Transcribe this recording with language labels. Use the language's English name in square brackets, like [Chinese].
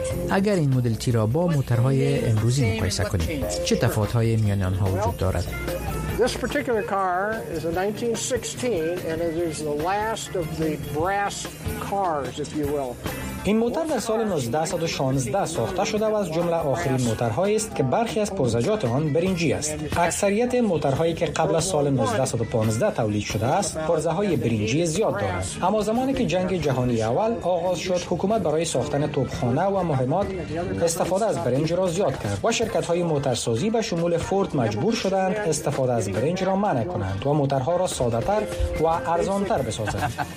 [Persian] اگر این مدل تی را با موترهای امروزی مقایسه کنیم، چه تفاوت های میان آنها وجود دارد؟ [English] This particular car is a 1916 and it is the last of the brass cars, if you will. [Persian] این موتر در سال 1916 ساخته شده و از جمله آخرین موترهایی است که برخی از پرزجات آن برنجی است. اکثریت موترهایی که قبل از سال 1915 تولید شده است، پرزه‌های برنجی زیاد دارند. اما زمانی که جنگ جهانی اول آغاز شد، حکومت برای ساختن توپخانه و مهمات استفاده از برنج را زیاد کرد و شرکت‌های موترسازی به شمول فورد مجبور شدند استفاده از برنج را منع کنند و موترها را ساده‌تر و ارزان‌تر بسازند.